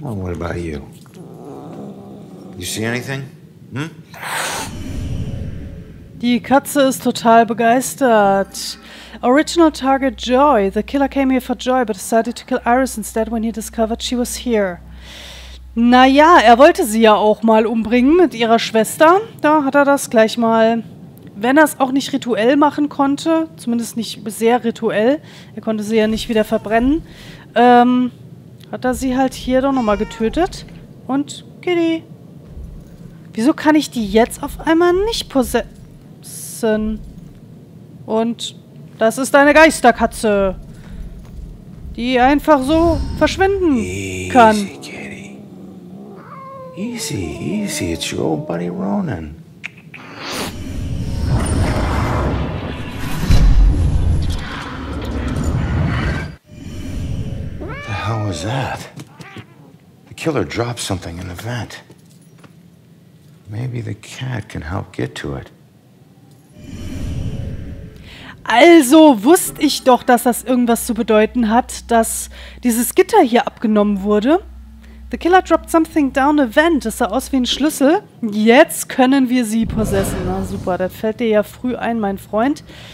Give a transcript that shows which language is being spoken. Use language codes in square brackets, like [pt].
[en] Well, what about you? You see anything? [de] Die Katze ist total begeistert. [en] Original target Joy. The killer came here for Joy, but decided to kill Iris instead when he discovered she was here. [de] Naja, er wollte sie ja auch mal umbringen mit ihrer Schwester. Da hat er das gleich mal, wenn er es auch nicht rituell machen konnte, zumindest nicht sehr rituell, er konnte sie ja nicht wieder verbrennen, hat er sie halt hier doch nochmal getötet. Und Kitty. Wieso kann ich die jetzt auf einmal nicht possessen? Und das ist eine Geisterkatze, die einfach so verschwinden kann. [en] Easy, easy, it's your old buddy Ronan. The hell was that? The killer dropped something in the vent. Maybe the cat can help get to it. [de] Also wusste ich doch, dass das irgendwas zu bedeuten hat, dass dieses Gitter hier abgenommen wurde. [en] The killer dropped something down a vent. [de] Das sah aus wie ein Schlüssel. Jetzt können wir sie possessen. Na super, das fällt dir ja früh ein, mein Freund.